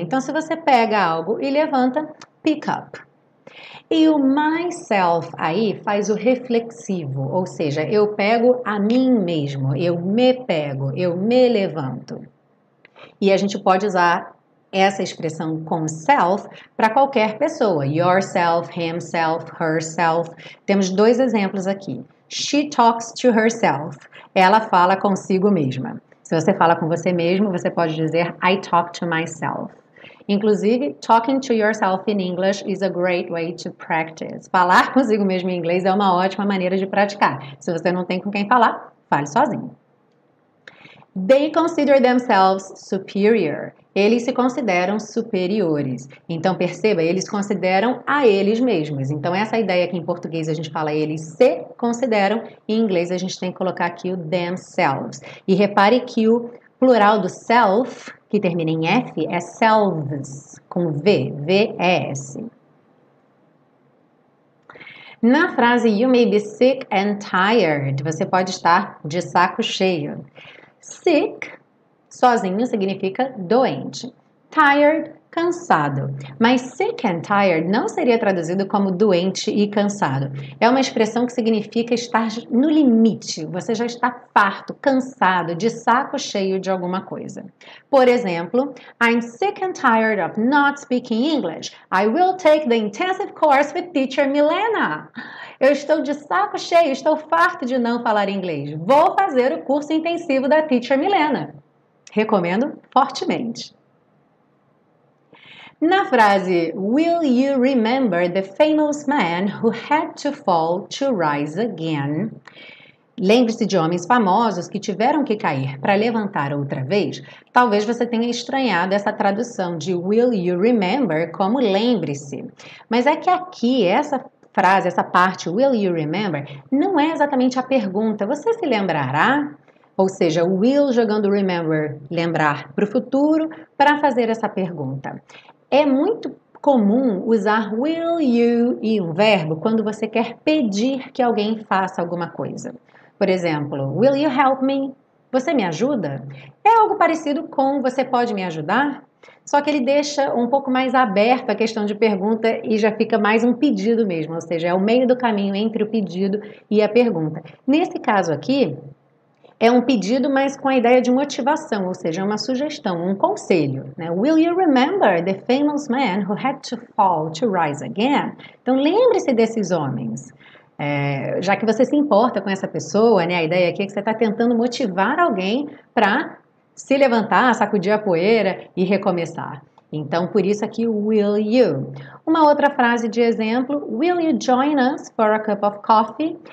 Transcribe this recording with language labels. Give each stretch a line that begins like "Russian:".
Portuguese: Então, se você pega algo e levanta, pick up. E o myself aí faz o reflexivo, ou seja, eu pego a mim mesmo, eu me pego, eu me levanto. E a gente pode usar essa expressão com self para qualquer pessoa.
English: Yourself, himself, herself.
Portuguese: Temos dois exemplos aqui.
English: She talks to herself.
Portuguese: Ela fala consigo mesma. Se você fala com você mesmo, você pode dizer
English: I talk to myself. Inclusive, talking to yourself in English is a great way to practice.
Portuguese: Falar consigo mesmo em inglês é uma ótima maneira de praticar. Se você não tem com quem falar, fale sozinho.
English: They consider themselves superior.
Portuguese: Eles se consideram superiores. Então, perceba, eles consideram a eles mesmos. Então, essa ideia que em português a gente fala eles se consideram, em inglês a gente tem que colocar aqui o themselves. E repare que o plural do self, que termina em F, é selves, com V, V-E-S. Na frase
English: you may be sick and tired,
Portuguese: você pode estar de saco cheio. Sick, sozinho, significa doente. Tired, cansado. Mas sick and tired não seria traduzido como doente e cansado. É uma expressão que significa estar no limite. Você já está farto, cansado, de saco cheio de alguma coisa. Por exemplo,
English: I'm sick and tired of not speaking English. I will take the intensive course with teacher Milena.
Portuguese: Eu estou de saco cheio, estou farto de não falar inglês. Vou fazer o curso intensivo da teacher Milena. Recomendo fortemente. Na frase,
English: Will you remember the famous man who had to fall to rise again?
Portuguese: Lembre-se de homens famosos que tiveram que cair para levantar outra vez. Talvez você tenha estranhado essa tradução de
English: Will you remember
Portuguese: como lembre-se. Mas é que aqui, essa frase, essa parte,
English: Will you remember,
Portuguese: não é exatamente a pergunta. Você se lembrará? Ou seja, o will jogando remember, lembrar para o futuro, para fazer essa pergunta. É muito comum usar will you e um verbo quando você quer pedir que alguém faça alguma coisa. Por exemplo,
English: will you help me?
Portuguese: Você me ajuda? É algo parecido com você pode me ajudar? Só que ele deixa um pouco mais aberto a questão de pergunta e já fica mais um pedido mesmo. Ou seja, é o meio do caminho entre o pedido e a pergunta. Nesse caso aqui, É um pedido, mas com a ideia de motivação, ou seja, uma sugestão, um conselho, né?
English: Will you remember the famous man who had to fall to rise again?
Portuguese: Então, lembre-se desses homens. É, já que você se importa com essa pessoa, né? A ideia aqui é que você está tentando motivar alguém para se levantar, sacudir a poeira e recomeçar. Então, por isso aqui,
English: will you?
Portuguese: Uma outra frase de exemplo,
English: will you join us for a cup of coffee?